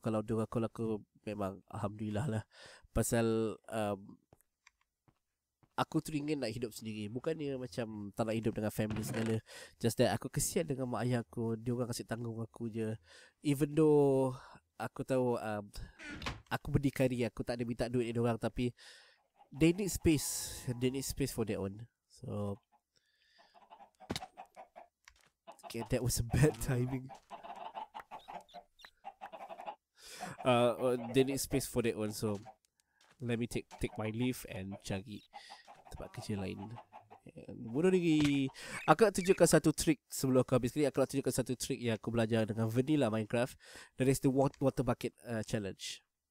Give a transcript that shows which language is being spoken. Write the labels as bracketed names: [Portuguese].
[Malay] Kalau dia akan call aku, memang alhamdulillah lah. Pasal aku teringin nak hidup sendiri. Bukannya macam tak nak hidup dengan family segala. [English] Just that [Malay] aku kesian dengan mak ayah aku. Dia orang kasih tanggung aku je. Even though aku tahu aku berdikari, aku tak ada minta duit dari orang, tapi [English] they need space. They need space for their own. So okay, that was a bad timing. They need space for their own. So let me take my leave and [Malay] cari tempat kerja lain. Bunuh diri. Aku nak tunjukkan satu trik sebelum aku habis ni. Aku nak tunjukkan satu trik yang aku belajar dengan Vanilla Minecraft. [English] That is the water bucket challenge.